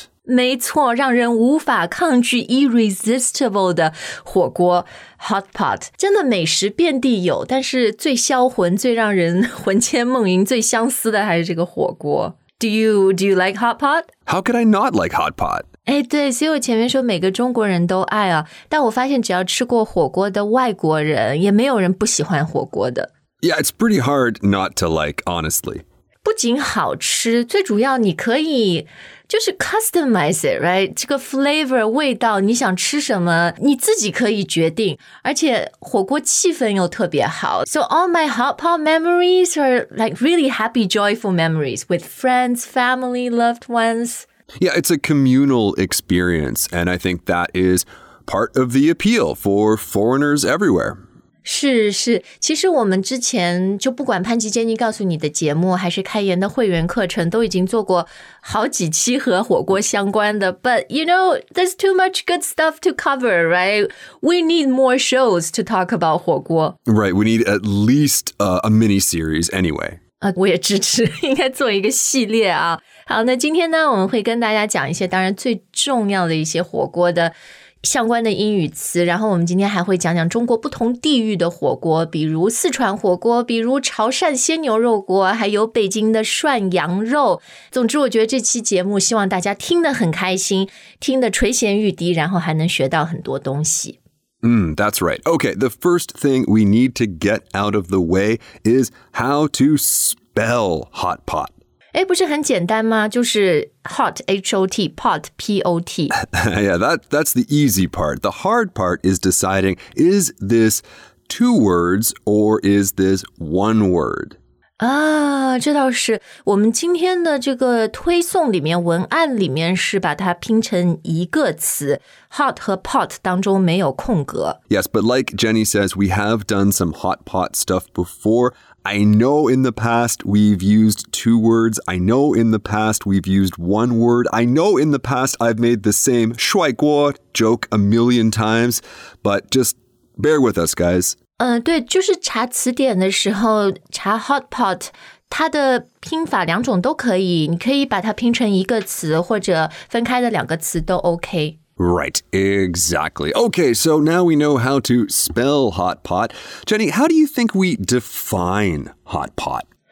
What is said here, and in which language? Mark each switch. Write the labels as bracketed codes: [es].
[zh] 没错，让人无法抗拒 irresistible 的火锅 hot pot， 真的美食遍地有，但是最销魂、最让人魂牵梦萦、最相思的还是这个火锅。 [en] Do you like hot pot? How could I not like hot pot? [zh] 哎，对，所以我前面说每个中国人都爱啊，但我发现只要吃过火锅的外国人，也没有人不喜欢火锅的。 [en] Yeah, it's pretty hard not to like, honestly. [zh] 不仅好吃，最主要你可以就是 [en] customize it, right? [zh] 这个 flavor, 味道，你想吃什么，你自己可以决定。而且火锅气氛又特别好。 [en] So all my hot pot memories are like really happy, joyful memories with friends, family, loved ones. Yeah, it's a communal experience. And I think that is part of the appeal for foreigners everywhere. [zh] 是是，其实我们之前就不管潘吉Jenny告诉你的节目还是开言的会员课程都已经做过好几期和火锅相关的 [en] But you know, there's too much good stuff to cover, right? We need more shows to talk about 火锅 Right, we need at least a mini-series anyway [zh] 我也支持，应该做一个系列啊好，那今天呢我们会跟大家讲一些当然最重要的一些火锅的相关的英语词，然后我们今天还会讲讲中国不同地域的火锅，比如四川火锅，比如潮汕鲜牛肉锅，还有北京的涮羊肉。总之，我觉得这期节目希望大家听得很开心，听得垂涎欲滴，然后还能学到很多东西。 [en] That's right. Okay, the first thing we need to get out of the way is how to spell hot pot. [zh] 哎，不是很简单吗？就是 hot, H-O-T, pot, P-O-T. [en] Yeah, that's the easy part. The hard part is deciding, is this two words or is this one word? [zh] 啊，这倒是。我们今天的这个推送里面，文案里面是把它拼成一个词 ,hot 和 pot 当中没有空格。 [en] Yes, but like Jenny says, we have done some hot pot stuff before. I know in the past we've used two words. I know in the past we've used one word. I know in the past I've made the same 涮锅 joke a million times. But just bear with us, guys. [zh] 对，就是查词典的时候，查 hot pot, 它的拼法两种都可以。你可以把它拼成一个词，或者分开的两个词都 OK。 [en] Right, exactly. Okay, so now we know how to spell hot pot. Jenny, how do you think we define hot pot?